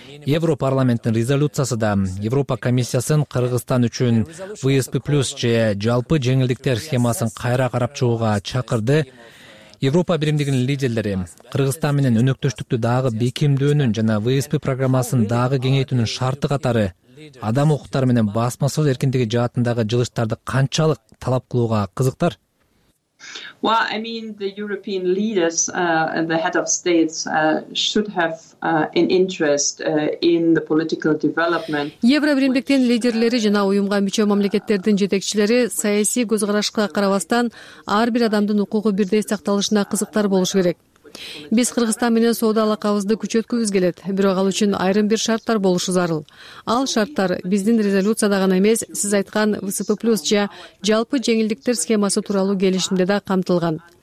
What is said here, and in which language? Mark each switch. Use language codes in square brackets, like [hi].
[ky] Европарламенттин резолюциясы да Европа комиссиясын Кыргызстан үчүн ВСП плюс же жалпы жеңилдиктер схемасын кайра карап чыгууга чакырды. Европа биримдигинин лидерлери Кыргызстан менен өнөктөштүктү дагы бекемдөөнүн жана ВСП программасын дагы кеңейтүүнүн шарты катары адам укуктары менен басма сөз эркиндиги жаатындагы жылыштарды канчалык талап кылууга кызыктар? [en] Well, I mean, the European leaders and the head of states should have an interest in the political development. [ky] Евробиримдиктин лидерлери жана уюмга мүчө мамлекеттердин жетекчилери саясий көз карашка карабастан ар бир адамдын укугу бирдей сакталышына кызыктар болушу керек. Биз Кыргызстан менен соода алакабызды күчөткүбүз келет, бирок ал үчүн айрым бир шарттар болушу зарыл. Ал шарттар биздин резолюцияда гана эмес, сиз айткан ВСП плюс же жалпы жеңилдиктер схемасы тууралуу келишимде да камтылган.